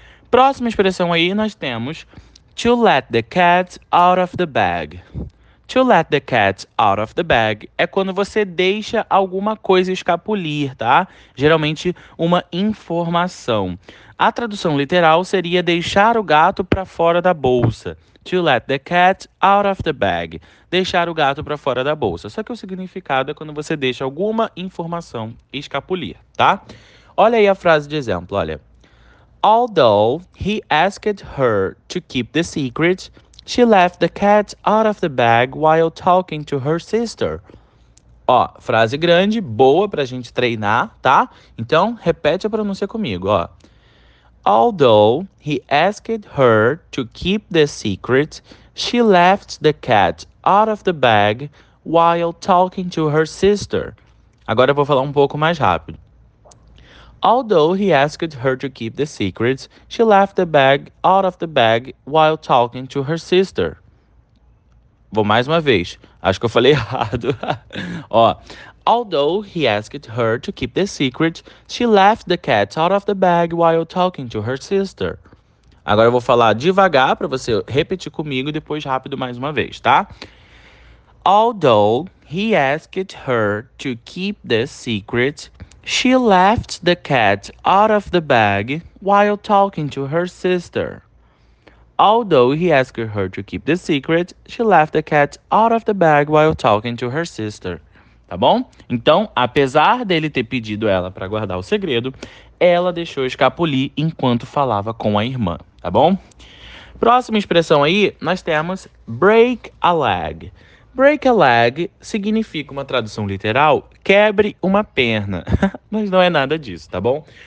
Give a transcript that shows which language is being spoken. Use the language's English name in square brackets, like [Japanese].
[Portuguese] Próxima expressão aí nós temos [English] to let the cat out of the bag. To let the cat out of the bag [Portuguese] é quando você deixa alguma coisa escapulir, tá? Geralmente uma informação. A tradução literal seria deixar o gato para fora da bolsa. [English] To let the cat out of the bag. [Portuguese] Deixar o gato para fora da bolsa. Só que o significado é quando você deixa alguma informação escapulir, tá? Olha aí a frase de exemplo, olha. [English] Although he asked her to keep the secret, she left the cat out of the bag while talking to her sister. [Portuguese] Ó, frase grande, boa pra gente treinar, tá? Então, repete a pronúncia comigo, ó. [English] Although he asked her to keep the secret, she left the cat out of the bag while talking to her sister. [Portuguese] Agora eu vou falar um pouco mais rápido. [English] Although he asked her to keep the secret, she left the bag out of the bag while talking to her sister. [Portuguese] Vou mais uma vez. Acho que eu falei errado. Ó. [English] Although he asked her to keep the secret, she left the cat out of the bag while talking to her sister. [Portuguese] Agora eu vou falar devagar para você repetir comigo e depois rápido mais uma vez, tá? [English] Although he asked her to keep the secret, she left the cat out of the bag while talking to her sister. Although he asked her to keep the secret, she left the cat out of the bag while talking to her sister. [Portuguese] Tá bom? Então, apesar dele ter pedido ela para guardar o segredo, ela deixou escapulir enquanto falava com a irmã, tá bom? Próxima expressão aí, nós temos break a leg. Break a leg significa uma tradução literal, quebre uma perna, mas não é nada disso, tá bom?